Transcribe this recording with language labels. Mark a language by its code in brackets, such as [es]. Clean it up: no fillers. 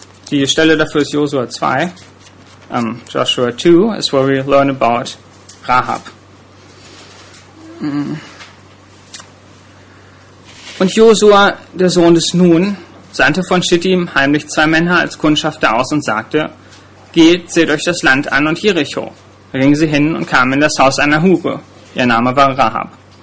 [de] Die Stelle dafür ist Joshua 2. [en] Joshua 2 is where we learn about Rahab. [de] Und Joshua, der Sohn des Nun, sandte von Schittim heimlich 2 Männer als Kundschafter aus und sagte: Geht, seht euch das Land an und Jericho. Da gingen sie hin und kamen in das Haus einer Hure. Ihr Name war Rahab.